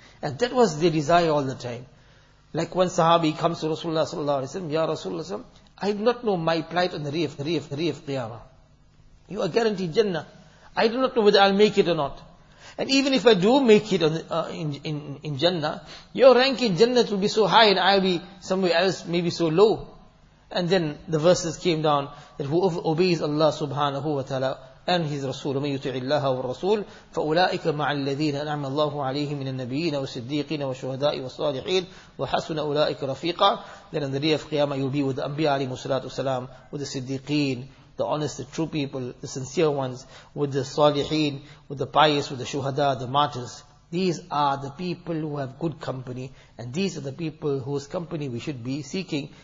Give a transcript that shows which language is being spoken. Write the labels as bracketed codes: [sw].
[en] And that was their desire all the time. Like when Sahabi comes to Rasulullah sallallahu alaihi wasallam, Ya Rasulullah sallallahu, I do not know my plight on the day of Qiyamah. You are guaranteed Jannah. I do not know whether I'll make it or not. And even if I do make it in Jannah, your rank in Jannah will be so high and I'll be somewhere else, maybe so low. And then the verses came down that whoever obeys Allah subhanahu wa ta'ala and his Rasul, [ar] وَمَنْ يُتِعِ اللَّهَ وَالرَّسُولِ فَأُولَٰئِكَ مَعَ الَّذِينَ أَنْعَمَ اللَّهُ عَلَيْهِمْ مِنَ النَّبِيِّينَ وَالصِّدِّيقِينَ وَالشُّهَدَاءِ وَالصَّالِحِينَ وَحَسُنَ أُولَٰئِكَ رَفِيقًا. [en] Then on the day of Qiyamah, you'll be with the Anbiya alayhi salatu wasalam, with the Siddiqeen, the honest, the true people, the sincere ones, with the Salihin, with the pious, with the Shuhada, the martyrs. These are the people who have good company, and these are the people whose company we should be seeking.